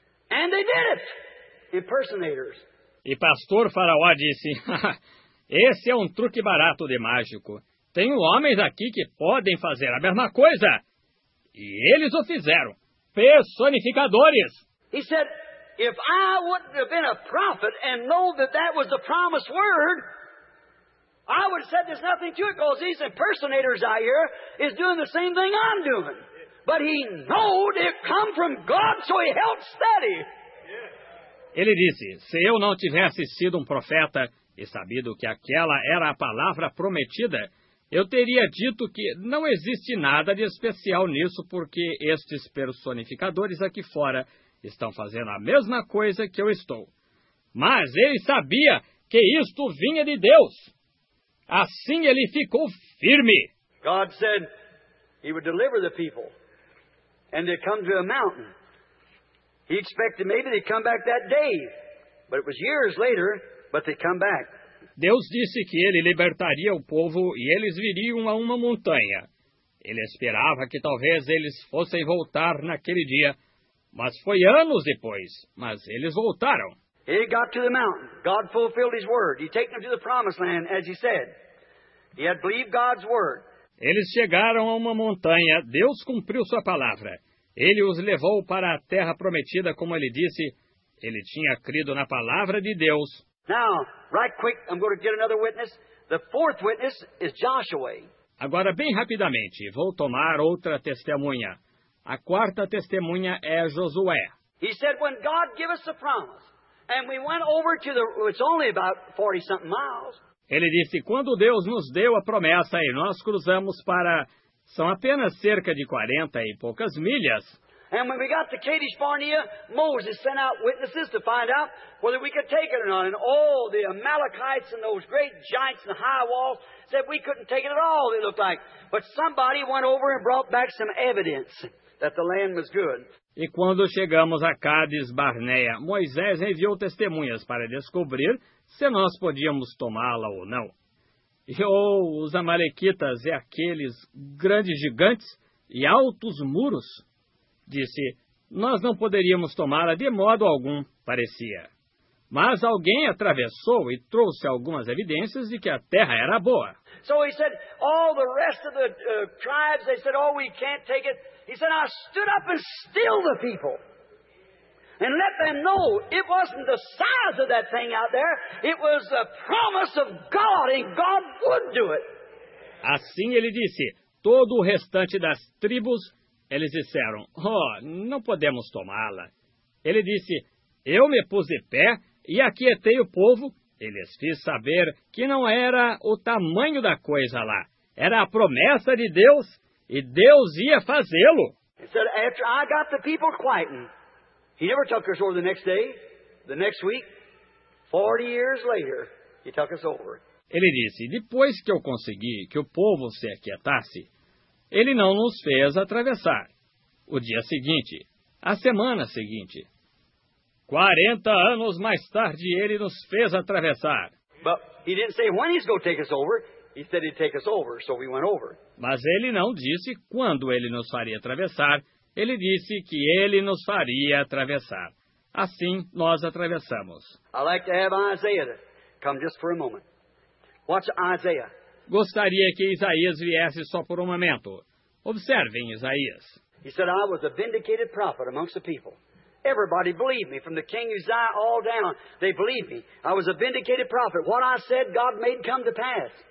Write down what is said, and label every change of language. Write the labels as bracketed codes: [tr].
[en] And they did it. Impersonators. [pt] E Pastor Faraó disse, esse é um truque barato de mágico. Tenho homens aqui que podem fazer a mesma coisa. E eles o fizeram. Personificadores. [en] He said, if I wouldn't have been a prophet and know that that was the promised word, I would have said there's nothing to it, because these impersonators out here is doing the same thing I'm doing. But he knowed it come from God, so he held steady. [pt] Ele disse, se eu não tivesse sido um profeta e sabido que aquela era a palavra prometida, eu teria dito que não existe nada de especial nisso, porque estes personificadores aqui fora estão fazendo a mesma coisa que eu estou. Mas ele sabia que isto vinha de Deus. Assim ele ficou firme. [en] God said he would deliver the people and they'd come to a mountain. He expected maybe they'd come back that day, but it was years later, but they'd come back. [pt] Deus disse que ele libertaria o povo e eles viriam a uma montanha. Ele esperava que talvez eles fossem voltar naquele dia, mas foi anos depois, mas eles voltaram. [en] He got to the mountain. God fulfilled his word. He took them to the promised land, as he said. He had believed God's word. [pt] Eles chegaram a uma montanha. Deus cumpriu sua palavra. Ele os levou para a terra prometida, como ele disse. Ele tinha crido na palavra de Deus. [en] Now, right quick, I'm going to get another witness. The fourth witness is Joshua. [pt] Agora, bem rapidamente, vou tomar outra testemunha. A quarta testemunha é Josué. [en] He said, when God gave us the promise, and we went over to the, it's only about 40-something miles. [pt] Ele disse, quando Deus nos deu a promessa e nós cruzamos para, são apenas cerca de 40 e poucas milhas. [en] And when we got to Kadesh Barnea, Moses sent out witnesses to find out whether we could take it or not. And all the Amalekites and those great giants and high walls said we couldn't take it at all, it looked like. But somebody went over and brought back some evidence that the land was good. [pt] E quando chegamos a Cádiz Barnea, Moisés enviou testemunhas para descobrir se nós podíamos tomá-la ou não. E os amalequitas e aqueles grandes gigantes e altos muros, disse, nós não poderíamos tomá-la de modo algum, parecia. Mas alguém atravessou e trouxe algumas evidências de que a terra era boa. [en] So he said, all the rest of the tribes, they said, oh, we can't take it. He said, I stood up and stilled the people and let them know it wasn't the size of that thing out there. It was the promise of God, and God would do it. [pt] Assim ele disse, todo o restante das tribos, eles disseram, oh, não podemos tomá-la. Ele disse, eu me pus de pé e aquietei o povo. Eles fiz saber que não era o tamanho da coisa lá. Era a promessa de Deus, e Deus ia fazê-lo. Ele disse, [en] after I got the people quieting, he never took us over the next day, the next week, 40 years later, he took us over. [pt] Ele disse, depois que eu consegui que o povo se aquietasse, ele não nos fez atravessar. O dia seguinte, a semana seguinte, 40 anos mais tarde, ele nos fez atravessar. [en] But he didn't say when he's going to take us over. He said he'd take us over, so we went over. [pt] Mas ele não disse quando ele nos faria atravessar. Ele disse que ele nos faria atravessar. Assim, nós atravessamos. [en] I'd like to have Isaiah come just for a moment. Watch Isaiah. [pt] Gostaria que Isaías viesse só por um momento. Observem Isaías. [en] He said, I was a vindicated prophet amongst the people. Everybody believed me, from the king Uzziah all down. They believed me. I was a vindicated prophet. What I said, God made come to pass.